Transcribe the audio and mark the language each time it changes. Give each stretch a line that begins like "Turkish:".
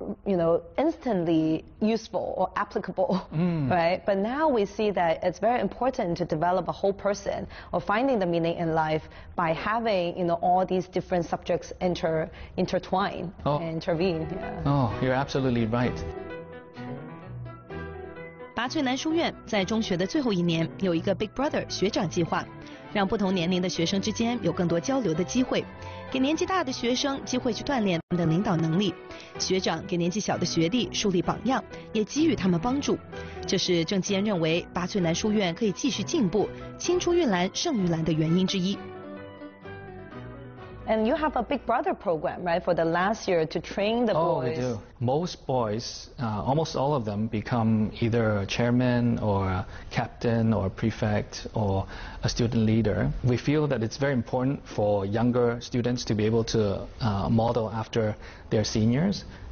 English: you know, instantly useful or applicable, right? But now we see that it's very important to develop a whole person or finding the meaning in life by having, you know, all these different subjects intertwine and intervene. You're absolutely right.
Chinese: 拔萃男书院在中学的最后一年有一个 Big Brother 学长计划，让不同年龄的学生之间有更多交流的机会，给年纪大的学生机会去锻炼他们的领导能力，学长给年纪小的学弟树立榜样，也给予他们帮助。这是郑基恩认为拔萃男书院可以继续进步，青出于蓝胜于蓝的原因之一。
English: And you have a big brother program, right, for the last year to train the boys. Oh, we do. Most boys, almost all of them, become either a chairman or a captain or a prefect or a student leader. We feel that it's very important for younger students to be able to model after their seniors.